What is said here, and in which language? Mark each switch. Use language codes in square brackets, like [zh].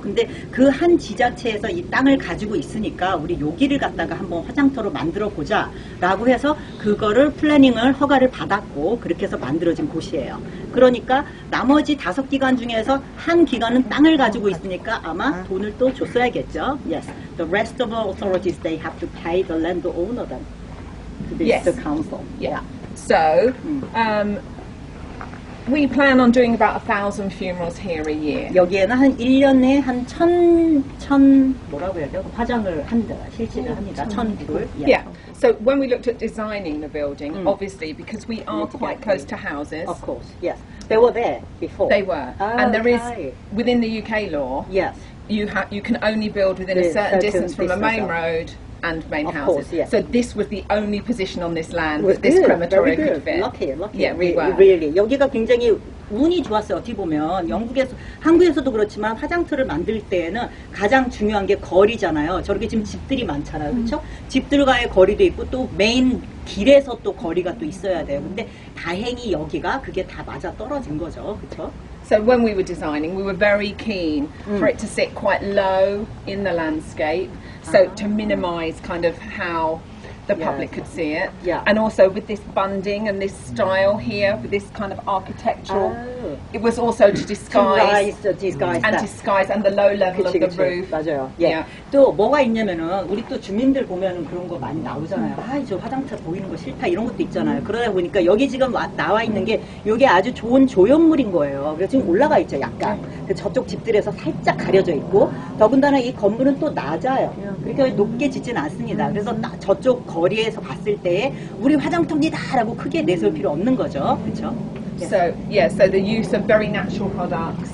[ko] 근데 그 한 지자체에서 이 땅을 가지고 있으니까 우리 여기를 갖다가 한번 화장터로 만들어 보자 라고 해서 그거를 플래닝을 허가를 받았고 그렇게 해서 만들어진 곳이에요. 그러니까 나머지 다섯 기관 중에서 한 기관은 땅을 가지고 있으니까 아마 돈을 또 줬어야겠죠. [en] Yes. The rest of the authorities they have to pay the land owner then. Yes. The council. Yeah. So, we plan on doing about 1,000 funerals here a year. [ko] 여기에는 한 1년에 한 천 뭐라고 해야 돼요? 화장을 한다. 실시를 합니다. 천불. [en] Yeah. So when we looked at designing the building, obviously, because we are quite close to houses. Of course, yes. They were there before. They were. Oh, and there okay. is, within the UK law, yes. you can only build within a certain distance from a main road and main of houses. Course, yes. So this was the only position on this land that this crematorium could fit. Lucky. Yeah, we were. Really. [ko] 여기가 굉장히 운이 좋았어요. 어떻게 보면 영국에서 한국에서도 그렇지만 화장터를 만들 때에는 가장 중요한 게 거리잖아요. 저렇게 지금 집들이 많잖아요. 그렇죠? 집들과의 거리도 있고 또 메인 길에서 또 거리가 또 있어야 돼요. 근데 다행히 여기가 그게 다 맞아 떨어진 거죠. 그렇죠? [en] So when we were designing, we were very keen for it to sit quite low in the landscape so to minimize kind of how the public could see it. Yeah. And also with this bunding and this style here, with this kind of architectural, it was also to disguise and disguise and the low level of the roof. [ko] 맞아요. 예. 또 뭐가 있냐면은 우리 또 주민들 보면은 그런 거 많이 나오잖아요. 아, 저 화장터 보이는 거 싫다 이런 것도 있잖아요. 그러다 보니까 여기 지금 나와 있는 게 여기 아주 좋은 조형물인 거예요. 그래서 지금 올라가 있죠, 약간. 그 저쪽 집들에서 살짝 가려져 있고 더군다나 이 건물은 또 낮아요. 그렇게 높게 짓진 않습니다. 그래서 저쪽 거리에서 봤을 때 우리 화장터입니다라고 크게 내세울 필요 없는 거죠. 그렇죠? [en] So, yeah, so the use of very natural products.